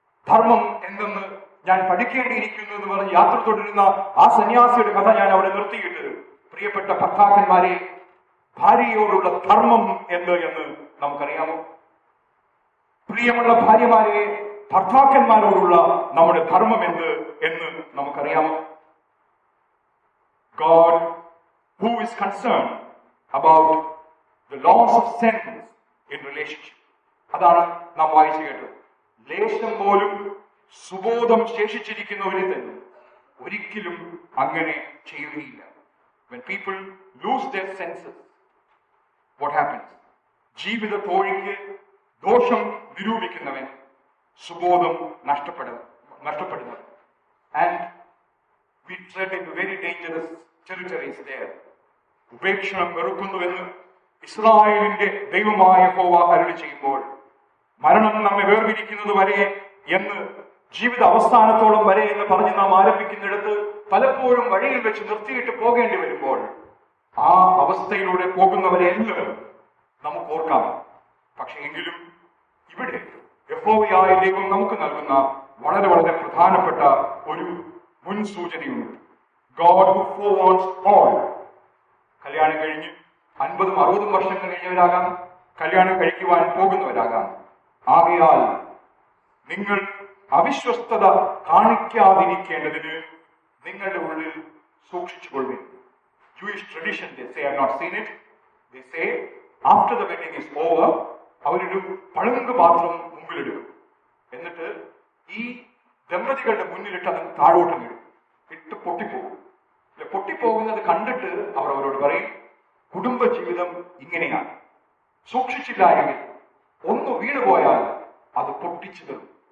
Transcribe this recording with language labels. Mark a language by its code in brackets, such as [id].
[ml] ധർമ്മം എന്തെന്ന് ഞാൻ പഠിക്കേണ്ടിയിരിക്കുന്നു എന്ന് പറഞ്ഞ് യാത്ര തുടരുന്ന ആ സന്യാസിയുടെ കഥ ഞാൻ അവിടെ നിർത്തിയിട്ട്, പ്രിയപ്പെട്ട ഭർത്താക്കന്മാരെ, ഭാര്യയോടുള്ള ധർമ്മം എന്ത് എന്ന് നമുക്കറിയാമോ? പ്രിയമുള്ള ഭാര്യമാരെ, ഭർത്താക്കന്മാരോടുള്ള നമ്മുടെ ധർമ്മം എന്ത് എന്ന് നമുക്കറിയാം. [en] God, who is concerned about the laws of sins in relationship. [ml] അതാണ് നാം വായിച്ചു കേട്ടത്. ലേശം പോലും സുബോധം ശേഷിച്ചിരിക്കുന്നവരിൽ തന്നെ ഒരിക്കലും അങ്ങനെ ചെയ്യുകയില്ല. [en] When people lose their senses, what happens? [ml] ജീവിത തോഴിക്ക് ദോഷം നിരൂപിക്കുന്നവൻ സുബോധം നഷ്ടപ്പെടുന്നു. [en] And we tread into very dangerous territories there. [ml] ഉപേക്ഷണം വെറുക്കുന്നു എന്ന് ഇസ്രായേലിന്റെ ദൈവമായ യഹോവ അരുളി ചെയ്യുമ്പോൾ, മരണം നമ്മെ വേർപിരിക്കുന്നത് വരെ എന്ന്, ജീവിത അവസാനത്തോളം വരെ എന്ന് പറഞ്ഞ് നാം ആരംഭിക്കുന്നിടത്ത് പലപ്പോഴും വഴിയിൽ വെച്ച് നിർത്തിയിട്ട് പോകേണ്ടി വരുമ്പോൾ, ആ അവസ്ഥയിലൂടെ പോകുന്നവരെ എല്ലാവരും നമുക്ക് ഓർക്കാം. പക്ഷേ എങ്കിലും ഇവിടെ യഹോവയായ ദൈവം നമുക്ക് നൽകുന്ന വളരെ വളരെ പ്രധാനപ്പെട്ട ഒരു മുൻസൂചനയുണ്ട്. [en] God who forewarns all. [ml] കല്യാണം കഴിഞ്ഞ് 50-60 വർഷം കഴിഞ്ഞവരാകാം, കല്യാണം കഴിക്കുവാൻ പോകുന്നവരാകാം. ആകയാൽ നിങ്ങൾ അവിശ്വസ്തത കാണിക്കാതിരിക്കേണ്ടതിന് നിങ്ങളുടെ ഉള്ളിൽ സൂക്ഷിച്ചുകൊള്ളു. [en] Jewish tradition, they say, I have not seen it. They say, after the wedding is over, [ml] അവരൊരു പളുങ്ക് പാത്രം മുമ്പിലിടും. എന്നിട്ട് ഈ ദമ്പതികളുടെ മുന്നിലിട്ട് അത് താഴോട്ടം ഇടും. ഇട്ട് പൊട്ടിപ്പോകും. പൊട്ടിപ്പോകുന്നത് കണ്ടിട്ട് അവർ അവരോട് പറയും, കുടുംബജീവിതം ഇങ്ങനെയാണ്, സൂക്ഷിച്ചില്ലായെങ്കിൽ ഒന്ന് വീണുപോയാൽ അത് പൊട്ടിച്ചിതറും.